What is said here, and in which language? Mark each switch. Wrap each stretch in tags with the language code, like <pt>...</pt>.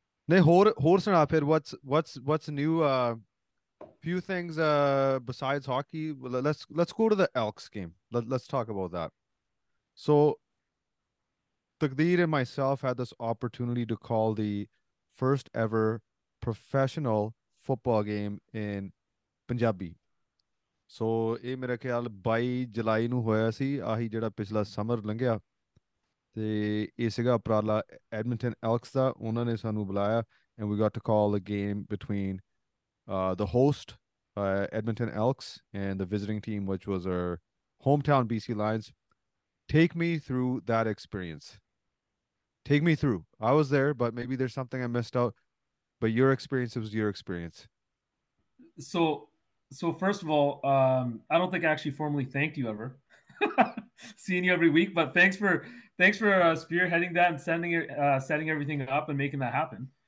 <pa>Nahi, hor suna phir.</pa> <en>What's new? Few things besides hockey. Let's go to the Elks game. Let's talk about that. So Taqdeer and myself had this opportunity to call the first ever professional football game in Punjabi.</en> <pa>So, ਇਹ ਮੇਰੇ ਖਿਆਲ 22 ਜੁਲਾਈ ਨੂੰ ਹੋਇਆ ਸੀ, ਆਹੀ ਜਿਹੜਾ ਪਿਛਲਾ summer ਲੰਘਿਆ, ਤੇ ਇਹ ਸੀਗਾ ਉਪਰਾਲਾ ਐਡਮਿੰਟਨ ਐਲਕਸ ਦਾ, ਉਹਨਾਂ ਨੇ ਸਾਨੂੰ ਬੁਲਾਇਆ</pa> <en>And we got to call a game between the host Edmonton Elks and the visiting team which was our home town BC Lions. Take me through that experience, take me through. I was there, but maybe there's something I missed out, but your experience was your experience. So first of all, I don't think I actually formally thanked you ever seeing you every week, but thanks for spearheading that and sending it, setting everything up and making that happen.</en>